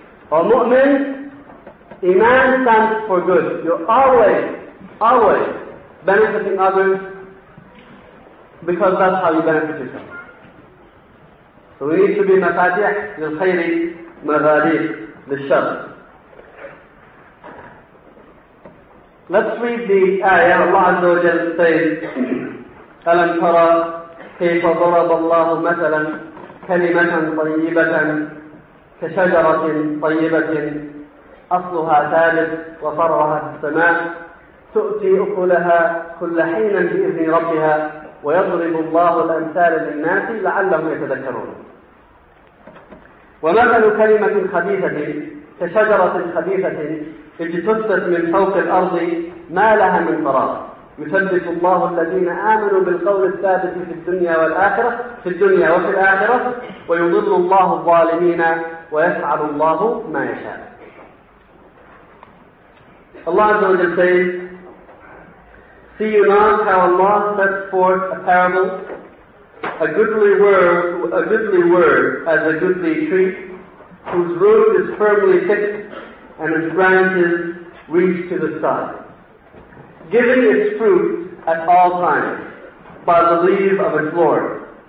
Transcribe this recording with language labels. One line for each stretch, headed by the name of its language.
English: A mu'min, Iman stands for good. You're always, always benefiting others because that's how you benefit yourself. So we need to be
Arabic: مفاتيح للخير مغاليق للشر.
English: Let's read the ayah. Allah Azza wa Jalla says,
Arabic: أَلَمْ تَرَى كَيْفَ ضَرَبَ اللَّهُ مَثَلًا كَلِمَةً طَيِّبَةً كَشَجَرَةٍ طَيِّبَةٍ أصلها ثابت وفرعها في السماء تؤتي أكلها كل حين بإذن ربها ويضرب الله الأمثال للناس لعلهم يتذكرون ومثل كلمة خبيثة كشجرة خبيثة اجتثت من فوق الأرض ما لها من قرار يثبت الله الذين آمنوا بالقول الثابت في الدنيا والآخرة في الدنيا وفي الآخرة ويضل الله الظالمين ويفعل الله ما يشاء.
English: Allah Azza wa Jalla says, see you not how Allah sets forth a parable, a goodly word as a goodly tree, whose root is firmly fixed and its branches reach to the sky, giving its fruit at all times by the leave of its Lord.